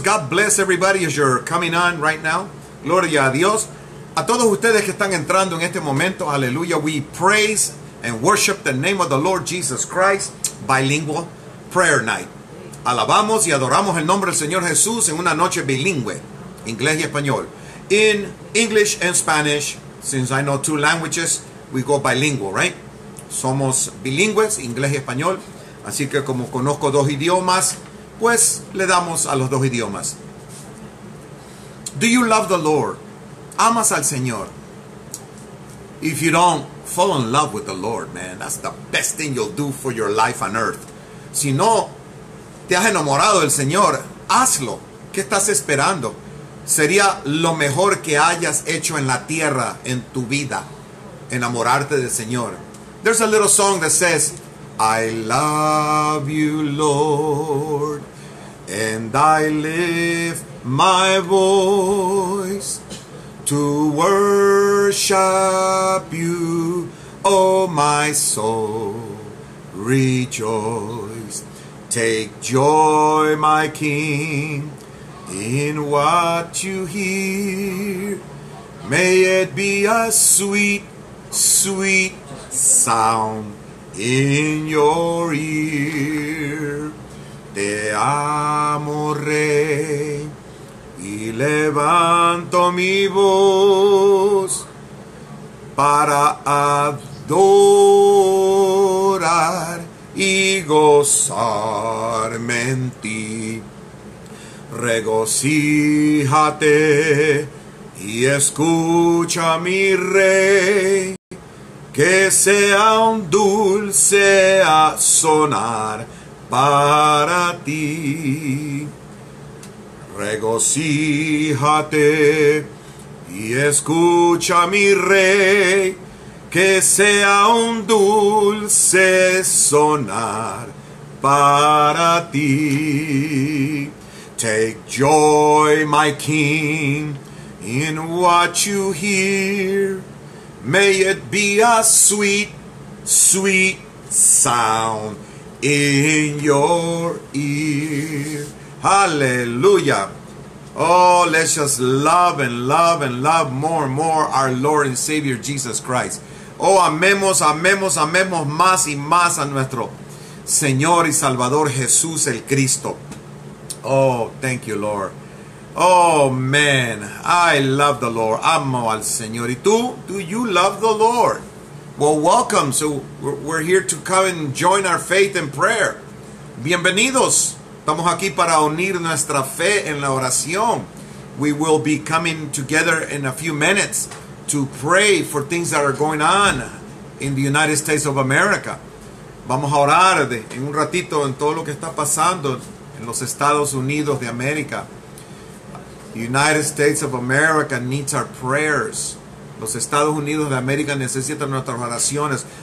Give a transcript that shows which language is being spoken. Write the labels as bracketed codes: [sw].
[en] God bless everybody as you're coming on right now. [es] Gloria a Dios. A todos ustedes que están entrando en este momento, aleluya, [en] we praise and worship the name of the Lord Jesus Christ, bilingual prayer night. [es] Alabamos y adoramos el nombre del Señor Jesús en una noche bilingüe, inglés y español. [en] In English and Spanish, since I know two languages, we go bilingual, right? [es] Somos bilingües, inglés y español. Así que como conozco dos idiomas, pues le damos a los dos idiomas. [en] Do you love the Lord? [es] Amas al Señor. [en] If you don't, fall in love with the Lord, man. That's the best thing you'll do for your life on earth. [es] Si no te has enamorado del Señor, hazlo. ¿Qué estás esperando? Sería lo mejor que hayas hecho en la tierra, en tu vida, enamorarte del Señor. [en] There's a little song that says, I love you, Lord, and I lift my voice to worship you, oh my soul, rejoice. Take joy, my King, in what you hear. May it be a sweet, sweet sound in your ear. [es] Te amo, Rey. Y levanto mi voz para adorar y gozarme en ti. Regocíjate y escucha, mi Rey, que sea un dulce a sonar para ti. Regocíjate y escucha, mi Rey, que sea un dulce sonar para ti. [en] Take joy, my King, in what you hear. May it be a sweet, sweet sound in your ear. Hallelujah. Oh, let's just love and love and love more and more our Lord and Savior Jesus Christ. [es] Oh, amemos, amemos, amemos más y más a nuestro Señor y Salvador Jesús el Cristo. [en] Oh, thank you, Lord. Oh, man, I love the Lord. [es] Amo al Señor. ¿Y tú? [en] Do you love the Lord? Well, welcome. So we're here to come and join our faith in prayer. [es] Bienvenidos. Estamos aquí para unir nuestra fe en la oración. [en] We will be coming together in a few minutes to pray for things that are going on in the United States of America. [es] Vamos a orar en un ratito en todo lo que está pasando en los Estados Unidos de América. [en] The United States of America needs our prayers. [es] Los Estados Unidos de América necesitan nuestras oraciones.